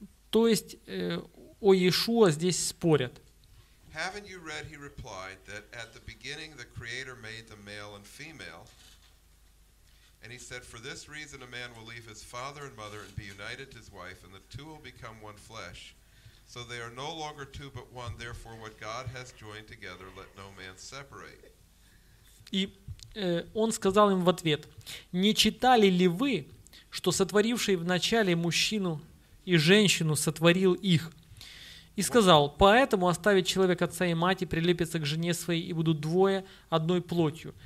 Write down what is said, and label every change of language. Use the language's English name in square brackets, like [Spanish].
[Russian] То есть о Иешуа здесь спорят. [English] Haven't you read, he replied, that at the beginning the Creator made the male and female, and he said, for this reason a man will leave his father and mother and be united to his wife, and the two will become one flesh. So they are no longer two but one, therefore what God has joined together, let no man separate. [Russian] И он сказал им в ответ, не читали ли вы, что сотворивший вначале мужчину и женщину сотворил их? И сказал, поэтому оставит человек отца и мать и прилепится к жене своей, и будут двое одной плотью.